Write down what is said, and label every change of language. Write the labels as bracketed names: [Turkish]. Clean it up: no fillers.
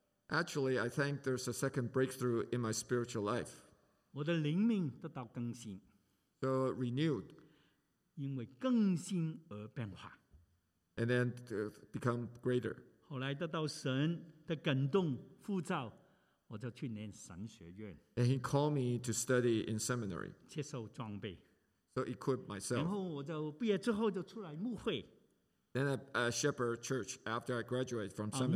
[English] Actually, I think there's a second breakthrough in my spiritual life. [Chinese] 我的灵命得到更新。 [English] So renewed. [Chinese] 因为更新而变化 [English] ，and then become greater。 [Chinese] 后来得到神的感动呼召，我就去念神学院。 [English] And he called me to study in seminary。 [Chinese] 接受装备 [English] ，so equip myself。 [Chinese] 然后我就毕业之后就出来牧会。 [English] Then a shepherd church after I graduate from seminary。